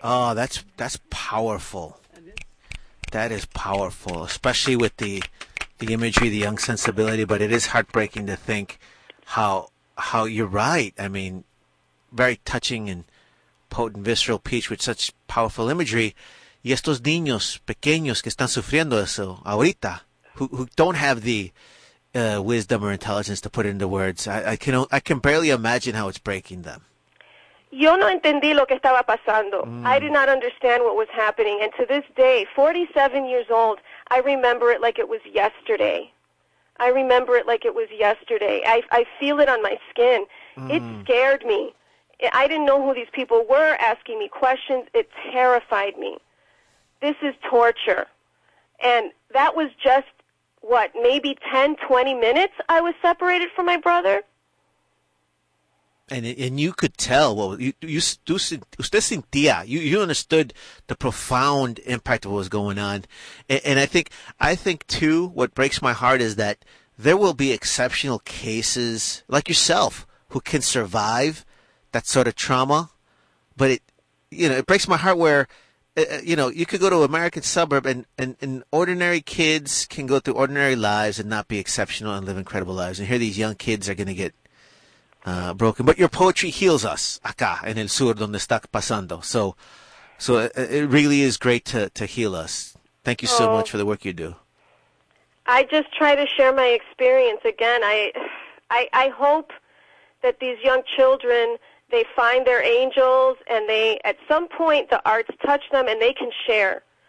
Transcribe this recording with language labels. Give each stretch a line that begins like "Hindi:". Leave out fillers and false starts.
English: Oh, that's powerful. That is powerful, especially with the imagery, the young sensibility, but it is heartbreaking to think how you're right. I mean, very touching and potent visceral piece with such powerful imagery.
Spanish: Y estos niños pequeños que están sufriendo eso ahorita,
English: who don't have the wisdom or intelligence to put into words. I can barely imagine how it's breaking them.
Spanish: Yo no entendí lo que estaba pasando.
English: I did not understand what was happening. And to this day, 47 years old, I remember it like it was yesterday. I feel it on my skin. It scared me. I didn't know who these people were asking me questions. It terrified me. This is torture. And that was just, what, maybe 10, 20 minutes I was separated from my brother? And you could tell, you understood the profound impact of what was going on. And I think too, what breaks my heart is that there will be exceptional cases like yourself who can survive that sort of trauma. But it breaks my heart where, you could go to an American suburb and ordinary kids can go through ordinary lives and not be exceptional and live incredible lives. And here these young kids are going to get broken. But your poetry heals us
Spanish: acá en el sur donde está pasando.
English: So it really is great to heal us. Thank you so much for the work you do. I just try to share my experience again. I hope that these young children, they find their angels, and they, at some point, the arts touch them, and they can share.